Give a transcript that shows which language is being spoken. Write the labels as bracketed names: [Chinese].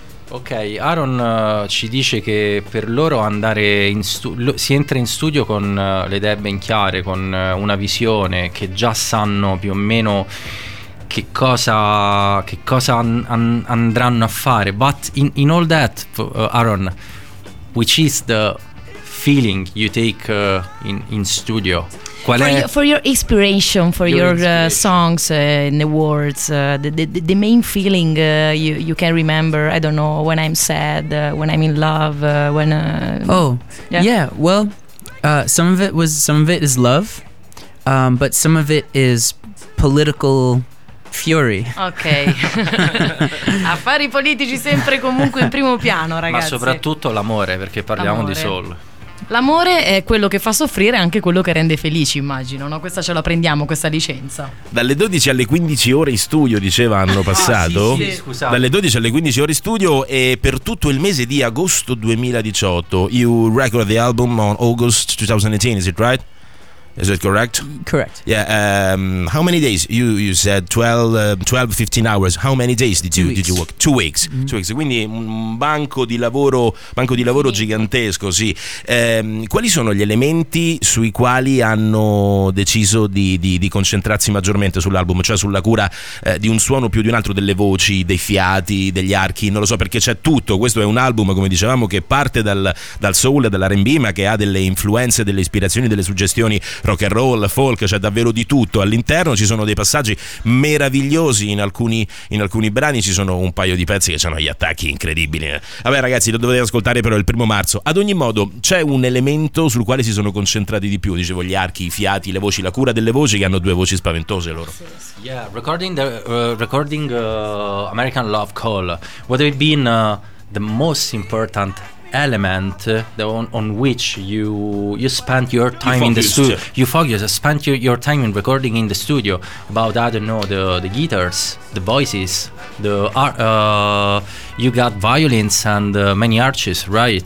[Italian] Ok, Aaron ci dice che per loro andare in si entra in studio con le idee ben chiare, con una visione, che già sanno più o meno che cosa andranno a fare. [English] But in all that, Aaron, which is the feeling you take in studio? [Italian] qual [English] for [Italian] è [English] for your inspiration for your songs and the words, the main feeling you can remember, I don't know, when I'm sad, when I'm in love, when some of it is love, but some of it is political fury. Ok. [Italian] Affari politici sempre comunque in primo piano, ragazzi. Ma soprattutto l'amore, perché parliamo di soul. L'amore è quello che fa soffrire, anche quello che rende felici, immagino, no? Questa ce la prendiamo, questa licenza. Dalle 12 alle 15 ore in studio, diceva, hanno passato. Ah, sì, scusate. Dalle 12 alle 15 ore in studio, e per tutto il mese di agosto 2018. [English] You record the album on August 2018, is it right? Is it correct? Correct. Yeah. How many days? You said 12-15 hours. How many days did you work? 2 weeks. Mm-hmm. 2 weeks. [Italian] Quindi un banco di lavoro gigantesco, sì. Quali sono gli elementi sui quali hanno deciso di concentrarsi maggiormente sull'album, cioè sulla cura di un suono più di un altro, delle voci, dei fiati, degli archi? Non lo so, perché c'è tutto. Questo è un album, come dicevamo, che parte dal soul, dall'R&B, ma che ha delle influenze, delle ispirazioni, delle suggestioni rock and roll, folk, c'è cioè davvero di tutto all'interno. Ci sono dei passaggi meravigliosi in alcuni brani, ci sono un paio di pezzi che hanno gli attacchi incredibili. Vabbè ragazzi, lo dovete ascoltare però il primo marzo. Ad ogni modo, c'è un elemento sul quale si sono concentrati di più, dicevo, gli archi, i fiati, le voci, la cura delle voci, che hanno due voci spaventose loro. [English] Yeah, recording American Love Call would have been the most important element on which you spent your time in the studio. You focus, spent your time in recording in the studio. About, I don't know, the guitars, the voices, the you got violins and many arches, right?